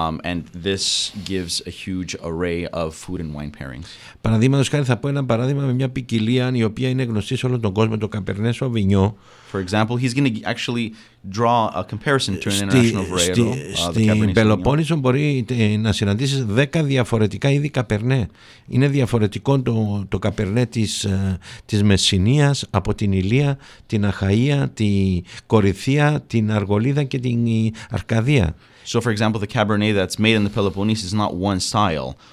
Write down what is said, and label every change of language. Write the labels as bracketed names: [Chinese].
[English] And this gives a huge array of food and wine pairings. [Greek] Παραδείγματος χάρη, θα πω ένα παράδειγμα με μια ποικιλία η οποία είναι γνωστή σε όλο τον κόσμο, το Cabernet Sauvignon. [English] For example, he's going to actually draw a comparison to an international varietal, the Cabernet Sauvignon. [Greek] Στην Πελοπόννησο μπορεί να συναντήσεις 10 διαφορετικά είδη Cabernet. Είναι διαφορετικό το Cabernet της Μεσσηνίας από την Ηλία, την Αχαΐα, την Κορυθία, την Αργολίδα και την Αρκαδία. [English] So, for example, the Cabernet that's made in the Peloponnese is not one style.